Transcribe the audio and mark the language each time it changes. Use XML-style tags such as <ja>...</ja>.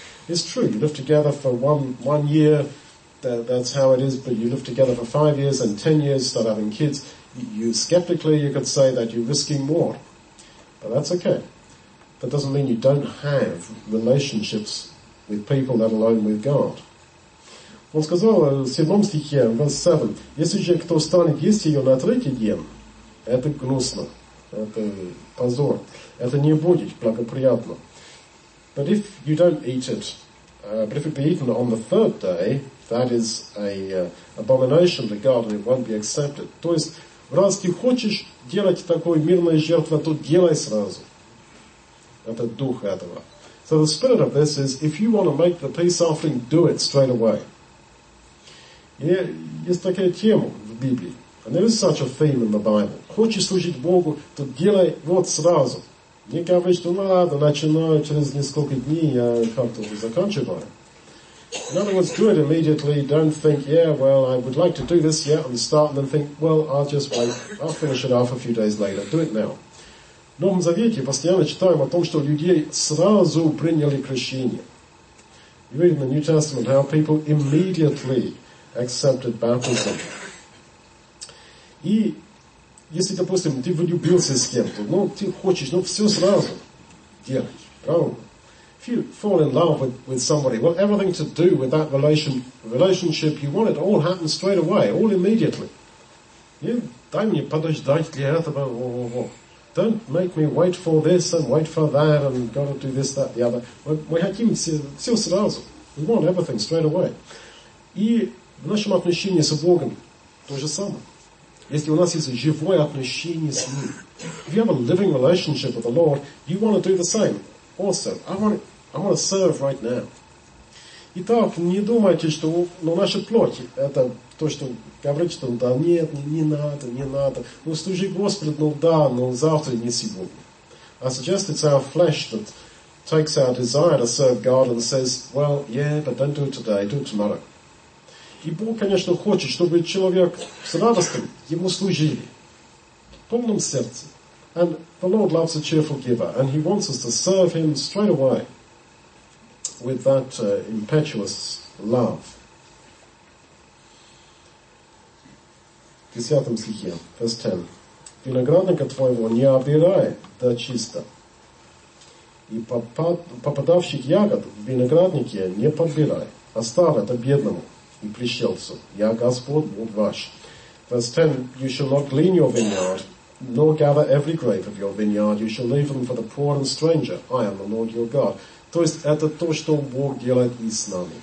<en>It's true, you live together for one year, that's how it is, but you live together for 5 years and 10 years, start having kids, you could say that you're risking more. But that's okay. That doesn't mean you don't have relationships with people, let alone with God.</en> <ru>Он сказал в 7 стихе, в</ru> <en>verse 7,</en> <ru>если же кто станет есть ее на третий день, это гнусно, это позор, это не будет благоприятно.</ru> <en>But if you don't eat it, but if it be eaten on the third day, that is an abomination to God and it won't be accepted.</en> <ru>То есть, раз ты хочешь делать такую мирную жертву, то делай сразу. Это дух этого.</ru> <en>So the spirit of this is, if you want to make the peace offering, do it straight away.</en> <ru>Есть такая тема в Библии.</ru> <en>And there is such a theme in the Bible.</en> <ru>Хочешь служить Богу, то делай вот сразу. Не говори, что надо, начинаю через несколько дней, я как-то заканчиваю.</ru> <en>In other words, do it immediately. Don't think, yeah, well, I would like to do this, yeah, and start, and then think, well, I'll just wait. I'll finish it off a few days later. Do it now.</en> <ru>В Новом Завете постоянно читаем о том, что люди сразу приняли крещение.</ru> <en>You read in the New Testament how people immediately accepted baptism.</en> <ru>И если, допустим, ты влюбился с кем-то, ну, ты хочешь, ну, все сразу делать, правильно?</ru> <en>If you fall in love with somebody, well, everything to do with that relationship, you want it all happen straight away, all immediately. Yeah,</en> <ru>дай мне подождать для этого,</ru> <en>Don't make me wait for this and wait for that and got to do this, that, the other.</en> <ru>Мы хотим все сразу.</ru> <en>We want everything straight away.</en> <ru>И в нашем отношении с Богом то же самое. Если у нас есть живое отношение с Ним.</ru> <en>If you have a living relationship with the Lord, you want to do the same. Also, I want to serve right now.</en> <ru>Итак, не думайте, что ну, наша плоть, это то, что говорит, что да нет, не надо. Ну, служи Господу, ну да, но завтра не сегодня.</ru> <en>I suggest it's our flesh that takes our desire to serve God and says, well, yeah, but don't do it today, do it tomorrow.</en> <ru>И Бог, конечно, хочет, чтобы человек с радостью Ему служили. В полном сердце.</ru> <en>And the Lord loves a cheerful giver. And He wants us to serve Him straight away with that impetuous love.</en> <ru>В 10 стихе,</ru> <en>verse 10.</en> <ru>Виноградника твоего не обирай до чисто. и попадавших ягод в винограднике не подбирай. Оставь это бедному и пришельцу. Я Господь, Бог ваш.</ru> <en>Verse 10, you shall not glean your vineyard, nor gather every grape of your vineyard. You shall leave them for the poor and stranger. I am the Lord your God.</en> <ru>То есть это то, что Бог делает и с нами.</ru>